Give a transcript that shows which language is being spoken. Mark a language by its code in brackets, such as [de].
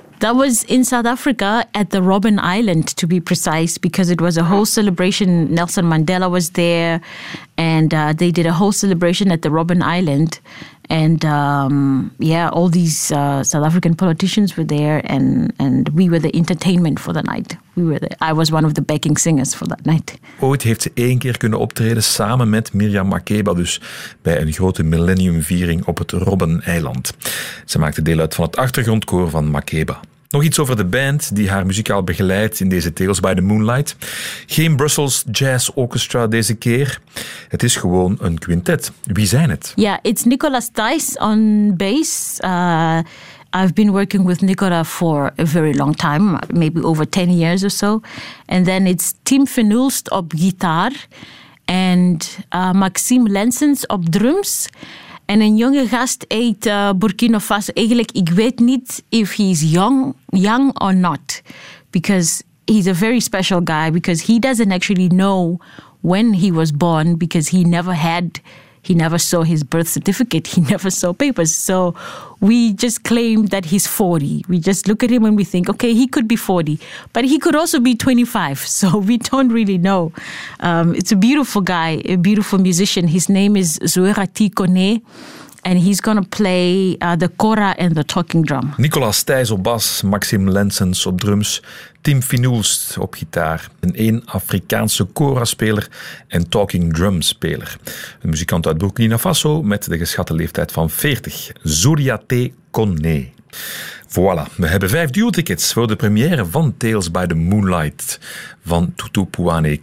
[en] That was in South Africa at the Robben Island, to be precise, because it was a whole celebration. Nelson Mandela was there and they did a whole celebration at the Robben Island. And all these South African politicians were there and we were the entertainment for the night. I was one of the backing singers for that night. [nl] Ooit heeft ze één keer kunnen optreden samen met Miriam Makeba, dus bij een grote millenniumviering op het Robben-eiland. Ze maakte deel uit van het achtergrondkoor van Makeba. Nog iets over de band die haar muzikaal begeleidt in deze Tales by the Moonlight. Geen Brussels Jazz Orchestra deze keer. Het is gewoon een quintet. Wie zijn het? [en] Ja, it's Nicolas Thijs on bass. I've been working with Nicola for a very long time, maybe over 10 years or so. And then it's Tim Fenulst op guitar en Maxime Lensens op drums. [nl] En een jonge gast eet Burkina Faso. Eigenlijk, ik weet niet [en] if he's young or not. Because he's a very special guy. Because he doesn't actually know when he was born. Because he never saw his birth certificate. He never saw papers. So we just claim that he's 40. We just look at him and we think, okay, he could be 40. But he could also be 25. So we don't really know. It's a beautiful guy, a beautiful musician. His name is Zuerati Kone. And he's going to play the kora and the talking drum. [nl] Nicolas Thijs op bas, Maxim Lensens op drums, Tim Finoulst op gitaar. Een één Afrikaanse kora-speler en talking drum-speler. Een muzikant uit Burkina Faso met de geschatte leeftijd van 40. Zuerati Kone. Voilà, we hebben 5 duo-tickets voor de première van Tales by the Moonlight van Toutou Pouane.